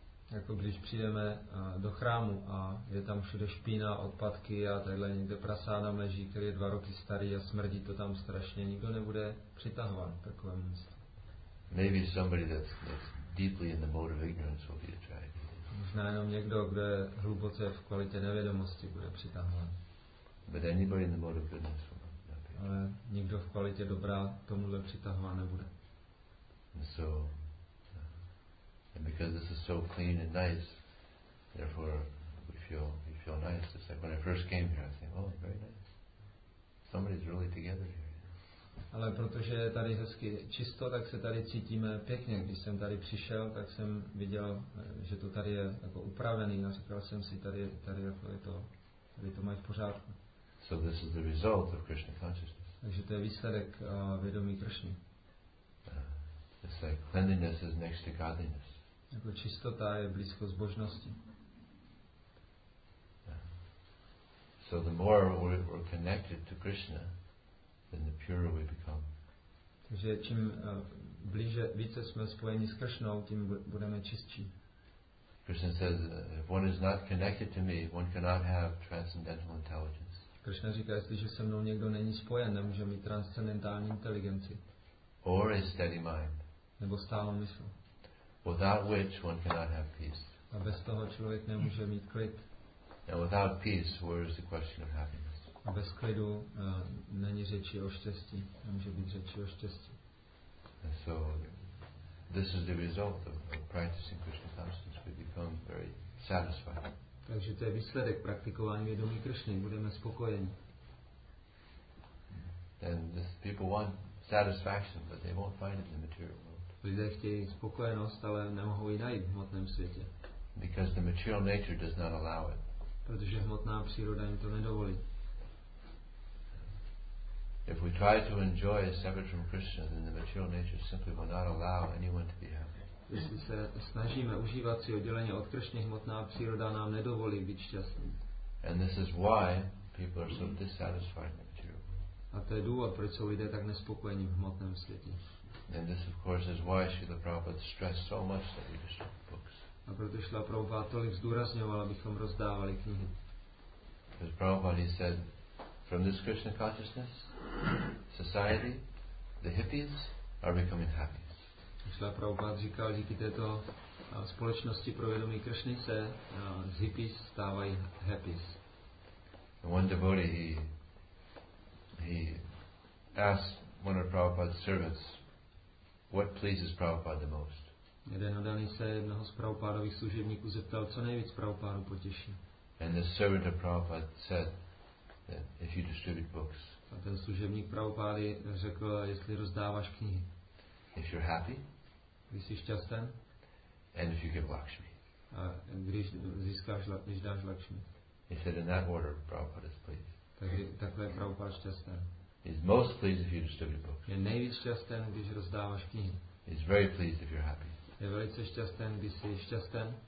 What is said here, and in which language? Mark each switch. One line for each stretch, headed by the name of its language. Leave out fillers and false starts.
Czech: Jako když přijdeme do chrámu a je tam všude špína, odpadky a takhle někde prasádám leží, který je 2 roky starý a smrdí to tam strašně, nikdo nebude přitahovat takové místo.
English: Maybe somebody that's deeply in the mode of ignorance will be attracted.
Czech: Možná jenom někdo, kdo je hluboce v kvalitě nevědomosti, bude přitahovat.
English: But anybody in the mode of goodness.
Czech: Ale nikdo v kvalitě dobrá tomuhle přitahovat nebude.
English: So, and because this is so clean and nice, therefore we feel nice. It's like when I first came here, I think, oh, very nice. Somebody's really together here.
Czech: Ale protože je tady hezky čisto, tak se tady cítíme pěkně. Když jsem tady přišel, tak jsem viděl, že to tady je jako upravený. A říkal jsem si, tady jako je to, tady to mají v pořádku.
English: So this is the result of Krishna consciousness.
Czech: Takže to je výsledek vědomí Krishny.
English: It's like cleanliness is next to godliness.
Czech: Jako čistota je blízko zbožnosti.
English: So the more we're connected to Krishna, then the purer we become.
Czech: Takže čím blíže, více jsme spojeni s Krishnou, tím budeme čistší.
English: Krishna says, if one is not connected to me, one cannot have transcendental intelligence.
Czech: Krishna říká, jestliže se mnou někdo není spojen, nemůže mít transcendentální inteligenci.
English: Or a steady mind.
Czech: Nebo stálou mysl.
English: Without which one cannot have peace.
Czech: A bez toho člověk nemůže mít klid.
English: And without peace, where is the question of happiness?
Czech: A bez klidu není řeči o štěstí. Nemůže být řeči o štěstí.
English: And so this is the result of practicing Krishna consciousness. We become very satisfied.
Czech: Takže to je výsledek praktikování vědomí Krišny. Budeme spokojeni.
English: Then people want satisfaction, but they won't find it in the material world.
Czech: Lidé chtějí spokojenost, ale nemohou ji najít v hmotném světě.
English: Because the material nature does not allow it.
Czech: Protože hmotná příroda jim to nedovolí.
English: If we try to enjoy a separate from Krishna, then the material nature simply will not allow anyone to be happy.
Czech: Jestli se snažíme užívat si odděleně od Krišny, hmotná příroda nám nedovolí být šťastný.
English: And this is why people are so dissatisfied in the material.
Czech: A to je důvod, proč jsou lidé tak nespokojení v hmotném světě.
English: And this of course is why Srila Prabhupada stressed so much that we distribute books.
Czech: A proto Srila Prabhupada tolik zdůrazňoval, abychom rozdávali knihy.
English: Because Prabhupada, he said, from this Krishna consciousness society, the hippies are becoming happy.
Czech: Šla Prabhupád říkal, díky této společnosti pro vědomí Krišny se z hippies stávají happies.
English: One devotee, he asked one of Prabhupád's servants, what pleases Prabhupád the most.
Czech: Jeden odaný se jednoho z Prabhupádových služebníků zeptal, co nejvíc Prabhupádu potěší.
English: And the servant of Prabhupád said, that if you distribute books.
Czech: A ten služebník Prabhupády řekl, jestli rozdáváš knihy.
English: If you're happy.
Czech: Když jsi šťastný.
English: And if you give Lakshmi.
Czech: A když získáš, když dáš Lakshmi.
English: He said in that order, Prabhupada is pleased.
Czech: Takhle Prabhupada je šťastný.
English: He's most pleased if you distribute books.
Czech: Je nejvíc šťastný, když rozdáváš knihy.
English: He's very pleased if you're happy.
Czech: Je velice šťastný, když jsi šťastný.